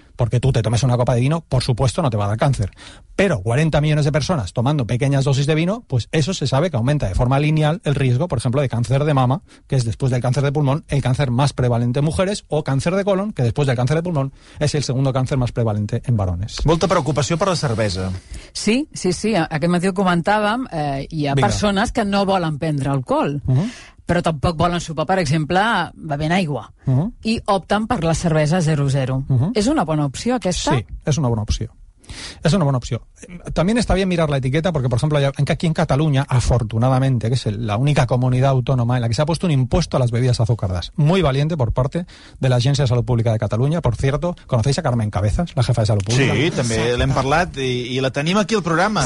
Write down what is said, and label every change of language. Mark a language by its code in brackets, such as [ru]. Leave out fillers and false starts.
[es] Porque tú te tomes una copa de vino, por supuesto no te va a dar cáncer. Pero 40 millones de personas tomando pequeñas dosis de vino, pues eso se sabe que aumenta de forma lineal el riesgo, por ejemplo, de cáncer de mama, que es después del cáncer de pulmón el cáncer más prevalente en mujeres, o cáncer de colon, que después del cáncer de pulmón es el segundo cáncer más prevalente en varones. [ca] Molta preocupació per la cervesa. Sí, sí, sí. Aquest matí ho comentàvem. Hi ha persones que no volen prendre alcohol, però tampoc volen sopar, per exemple, bevent aigua. I opten per la cervesa 00. És una bona opció, aquesta? Sí, és una bona opció. [es] Es una buena opción. También está bien mirar la etiqueta porque, por ejemplo, aquí en Cataluña, afortunadamente, que es la única comunidad autónoma en la que se ha puesto un impuesto a las bebidas azucaradas. Muy valiente por parte de la Agencia de Salud Pública de Cataluña. Por cierto, ¿conocéis a Carmen Cabezas, la jefa de Salud Pública? Sí, también la hemos hablado y la tenemos aquí el programa.